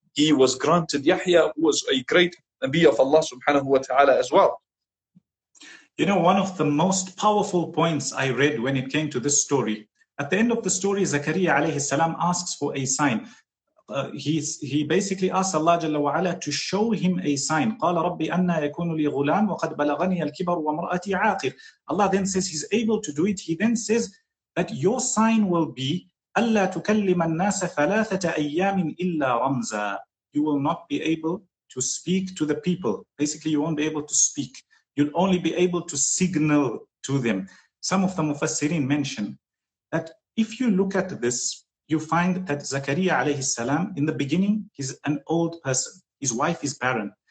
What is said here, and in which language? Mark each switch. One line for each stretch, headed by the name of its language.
English: He was granted Yahya, who was a great Nabi of Allah subhanahu wa ta'ala as well. You know, one of the most powerful points I read when it came to this story, at the end of the story, Zakaria alayhi salam asks for a sign. He basically asks Allah jalla wa ala to show him a sign.
Arabic: قال ربي أن يكون لي غلام وقد بلغني الكبر ومرأتي عاقر.
English: Allah then says he's able to do it. He then says that your sign will be
Arabic: ألا تكلم الناس ثلاثة أيام إلا رمزا.
English: You will not be able to speak to the people. Basically, you won't be able to speak. You'll only be able to signal to them. Some of the Mufassirin mention that if you look at this, you find that Zakaria alayhi salam, in the beginning, he's an old person. His wife is barren.